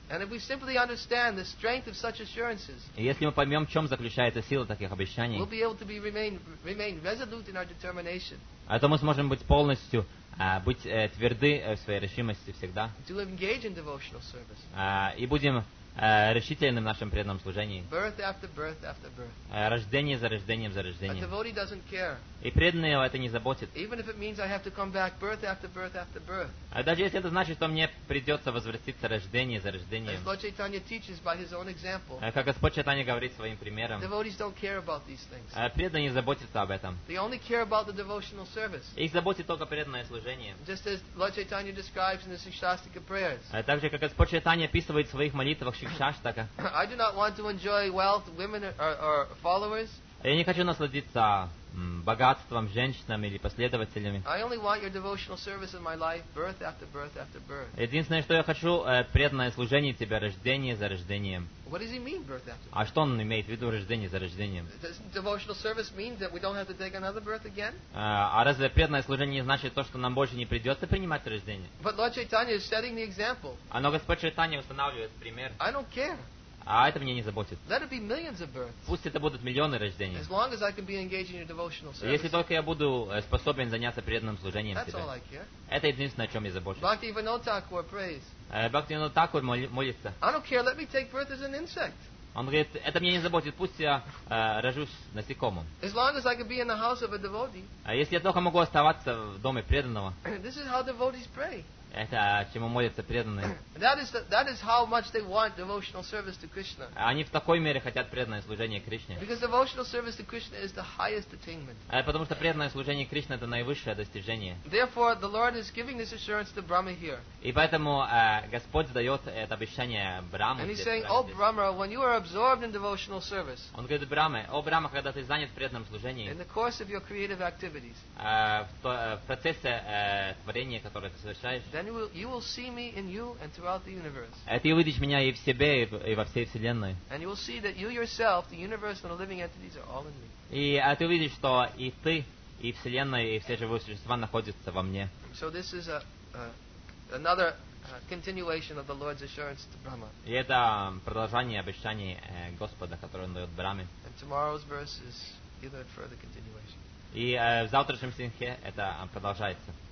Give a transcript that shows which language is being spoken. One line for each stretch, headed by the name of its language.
English: And if we simply understand the strength of such assurances,
Russian: и если мы поймем, в чем заключается сила таких обещаний,
English: we'll be able to remain resolute in our determination.
Russian: А то мы сможем быть полностью быть тверды в своей решимости всегда.
English: To engage in devotional service.
Russian: И будем решительным в нашем преданном служении.
English: Birth after birth after birth.
Russian: Рождение за рождением за рождением.
English: A devotee doesn't care.
Russian: И преданный его это не заботит.
English: Even if it means I have to come back birth after birth after birth.
Russian: Даже если это значит, что мне придется возвратиться рождение за рождением.
English: As Lord Chaitanya teaches by his own example.
Russian: Как Господь Чайтанья говорит своим примером.
English: Devotees don't care about these things.
Russian: Преданные не заботятся об этом.
English: They only care about the devotional service.
Russian: Их заботит только преданное служение.
English: Just as Lord Chaitanya describes in the Shikshastika prayers.
Russian: Также как Господь Чайтанья описывает в своих молитвах.
English: I do not want to enjoy wealth, women or followers.
Russian: Я не хочу насладиться богатством, женщинами или последователями.
English: I only want your devotional service in my life, birth after birth after birth.
Russian: Единственное, что я хочу, преданное служение тебе, рождение за рождением.
English: What does he mean, birth after?
Russian: А что он имеет в виду рождение за рождением?
English: Does devotional service mean that we don't have to take another birth again?
Russian: А разве преданное служение не значит то, что нам больше не придется принимать рождение?
English: But Lord Chaitanya is setting the example.
Russian: А но Господь Чайтанья устанавливает пример.
English: I don't care.
Russian: А это меня не заботит.
English: Let it be millions of births.
Russian: Пусть это будут миллионы рождений.
English: As long as I can be engaged in your devotional service.
Russian: Если только я буду способен заняться преданным служением
English: That's
Russian: тебе.
English: All I care.
Russian: Это единственное, о чем я забочусь.
English: Bhakti Vinod Thakur prays.
Russian: Bhakti Vinod Thakur молится.
English: I don't care. Let me take birth as an insect.
Russian: Он говорит, это меня не заботит, пусть я рожусь насекомым.
English: As long as I can be in the house of a devotee.
Russian: А если я только могу оставаться в доме преданного.
English: This is how devotees pray.
Russian: Это чему молятся преданные.
English: That is how much they want devotional service to Krishna.
Russian: Они в такой мере хотят преданное служение Кришне.
English: Because devotional service to Krishna is the highest attainment.
Russian: Потому что преданное служение Кришне это наивысшее достижение.
English: Therefore, the Lord is giving this assurance to Brahma here.
Russian: И поэтому Господь дает это обещание Брахме.
English: And he's saying, "O Brahma, when you are absorbed in devotional service."
Russian: Он говорит Брахме, "О Брахма, когда ты занят преданным служением."
English: In the course of your creative activities.
Russian: В процессе творения, которое ты совершаешь.
English: then you will see me in you and throughout the universe.
Russian: А ты увидишь меня и в себе, и во всей вселенной.
English: And you will see that you yourself, the universe and the living entities are all in me.
Russian: И ты увидишь, что и ты, и вселенная, и все живые существа находятся во мне.
English: So this is another continuation of the Lord's assurance to Brahma.
Russian: И это продолжение обещаний Господа, которое он даёт Брахме.
English: And tomorrow's verse is either further continuation.
Russian: И в завтрашнем стихе это продолжается.